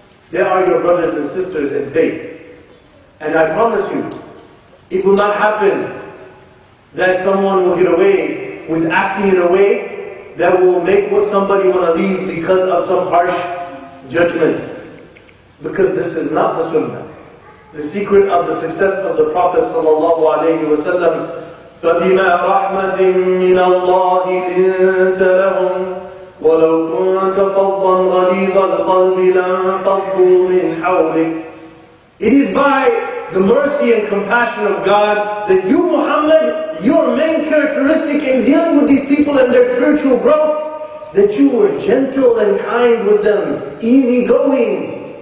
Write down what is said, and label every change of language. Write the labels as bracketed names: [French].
[English] They are your brothers and sisters in faith. And I promise you, it will not happen that someone will get away with acting in a way that will make somebody want to leave because of some harsh judgment. Because this is not the sunnah. The secret of the success of the Prophet sallallahu alayhi wa sallam, [Arabic] فَبِمَا رَحْمَةٍ مِّنَ اللَّهِ لِنْتَ لَهُمْ وَلَوْ كُنْتَ فَضًّا غَلِيظَ الْقَلْبِ لَنْفَضُّوا مِنْ حَوْلِكَ. [English] It is by the mercy and compassion of God that you, Muhammad, your main characteristic in dealing with these people and their spiritual growth, that you were gentle and kind with them, easygoing.